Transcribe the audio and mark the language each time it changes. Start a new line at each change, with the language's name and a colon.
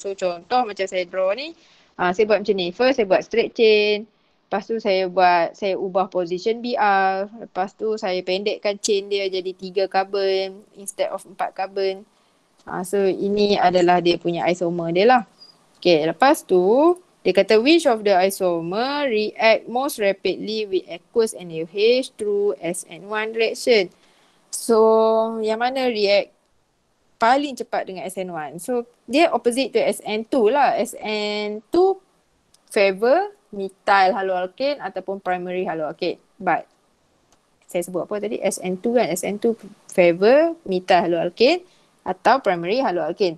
Malay: So contoh macam saya draw ni, saya buat macam ni. First saya buat straight chain, lepas tu saya ubah position BR, lepas tu saya pendekkan chain dia jadi 3 carbon
English: instead of 4 carbon.
Malay: So ini adalah dia punya isomer dia lah.
English: Okay,
Malay: lepas tu dia kata
English: which of the isomer react most rapidly with aqueous NaOH through SN1 reaction.
Malay: So yang mana react paling cepat dengan SN1? So dia opposite to SN2 lah. SN2 favor methyl haloalkane ataupun primary haloalkane. But saya sebut apa tadi, SN2 kan, SN2 favor mitah haloalkin atau primary haloalkin.